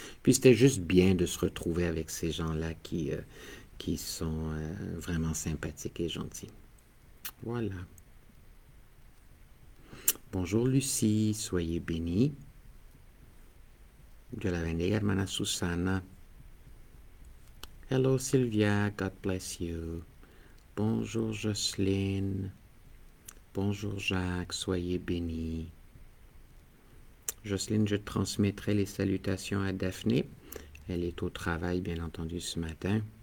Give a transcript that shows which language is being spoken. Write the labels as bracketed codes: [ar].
[fr] Puis c'était juste bien de se retrouver avec ces gens-là qui sont vraiment sympathiques et gentils. Voilà. Bonjour Lucie, soyez bénie. Dieu la bénisse, hermana Susana. [en] Hello Sylvia, God bless you. [fr] Bonjour Jocelyne. Bonjour Jacques, soyez bénie. Jocelyne, je transmettrai les salutations à Daphné. Elle est au travail, bien entendu, ce matin.